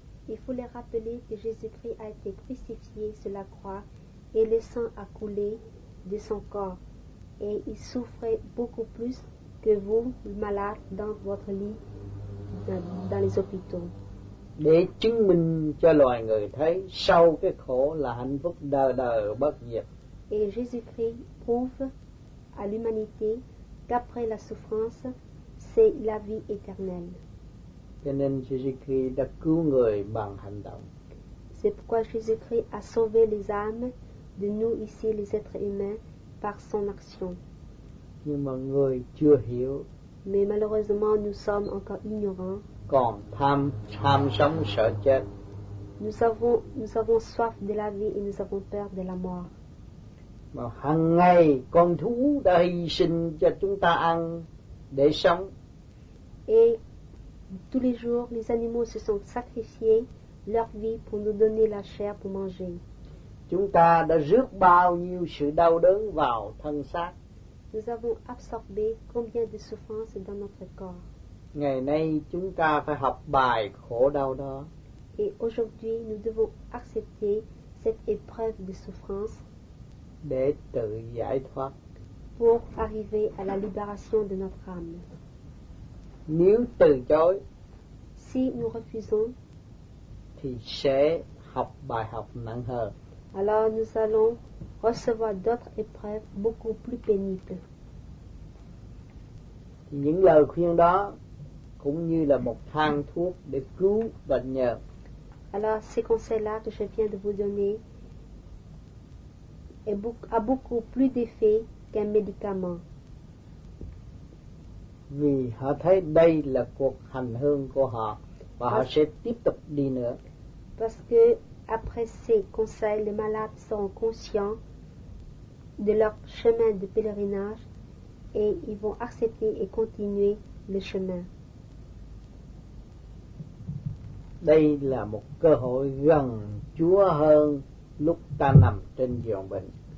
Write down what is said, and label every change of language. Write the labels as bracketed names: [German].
[French] Il faut les rappeler que Jésus-Christ a été crucifié sur la croix et le sang a coulé de son corps et il souffrait beaucoup plus que vous, malades, dans votre lit. dans les hôpitaux. [Vietnamese] Để chứng minh cho loài người thấy sau cái khổ là hạnh phúc đời đời bất diệt. [French] Et Jésus-Christ prouve à l'humanité qu'après la souffrance, c'est la vie éternelle. [Vietnamese] Cho nên Jésus-Christ đã cứu người bằng hành động. [French] C'est pourquoi Jésus-Christ a sauvé les âmes de nous ici, les êtres humains, par son action. [Vietnamese] Nhưng mà người chưa hiểu. [French] Mais malheureusement, nous sommes encore ignorants. [Vietnamese] Còn tham sống sợ chết. [French] Nous avons soif de la vie et nous avons peur de la mort. [Vietnamese] Mà hằng ngày con thú đã hy sinh cho chúng ta ăn để sống. [French] Et tous les jours, les animaux se sont sacrifiés leur vie pour nous donner la chair pour manger. [Vietnamese] Chúng ta đã rước bao nhiêu sự đau đớn vào thân xác. [French] Nous avons absorbé combien de souffrances dans notre corps. [Vietnamese] Ngày nay chúng ta phải học bài khổ đau đó. [French] Et aujourd'hui, nous devons accepter cette épreuve de souffrance [Vietnamese] để tự giải thoát. [French] Pour arriver à la libération de notre âme. [Vietnamese] Nếu từ chối, [French] si nous refusons, [Vietnamese] thì sẽ học bài học nặng hơn. [French] Alors nous allons recevoir d'autres épreuves beaucoup plus pénibles. [Vietnamese] Những lời khuyên đó cũng như là một thang thuốc để cứu bệnh nhờ. [French] Alors ces conseils-là que je viens de vous donner a beaucoup plus d'effet qu'un médicament. [Vietnamese] Vì họ thấy đây là cuộc hành hương của họ và họ sẽ tiếp tục đi nữa. [French] Parce que après ces conseils, les malades sont conscients de leur chemin de pèlerinage et ils vont accepter et continuer le chemin. [Vietnamese] Đây là một cơ hội gần Chúa hơn lúc ta nằm trên giường bệnh.